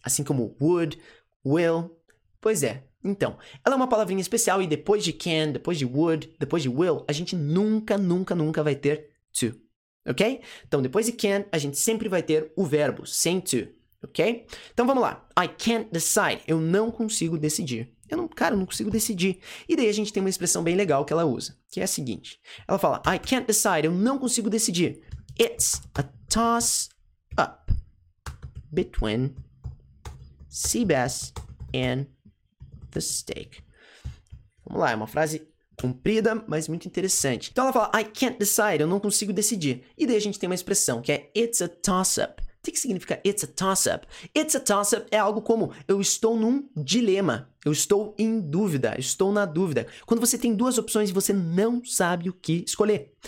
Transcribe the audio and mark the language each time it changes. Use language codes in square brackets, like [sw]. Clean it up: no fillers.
[pt] Assim como would, will. Pois é. Então, ela é uma palavrinha especial e depois de can, depois de would, depois de will, a gente nunca, nunca, nunca vai ter to. Ok? Então, depois de can, a gente sempre vai ter o verbo sem to. Ok? Então, vamos lá. [en] I can't decide. [pt] Eu não consigo decidir. Eu não consigo decidir. E daí a gente tem uma expressão bem legal que ela usa, que é a seguinte. Ela fala, [en] I can't decide. [pt] Eu não consigo decidir. [en] It's a toss up between sea bass and the steak. [pt] Vamos lá. É uma frase comprida, mas muito interessante. Então, ela fala, [en] I can't decide. [pt] Eu não consigo decidir. E daí a gente tem uma expressão que é [en] it's a toss up. [pt] O que significa [en] it's a toss-up? It's a toss-up [pt] é algo como eu estou num dilema, eu estou em dúvida, estou na dúvida. Quando você tem duas opções e você não sabe o que escolher.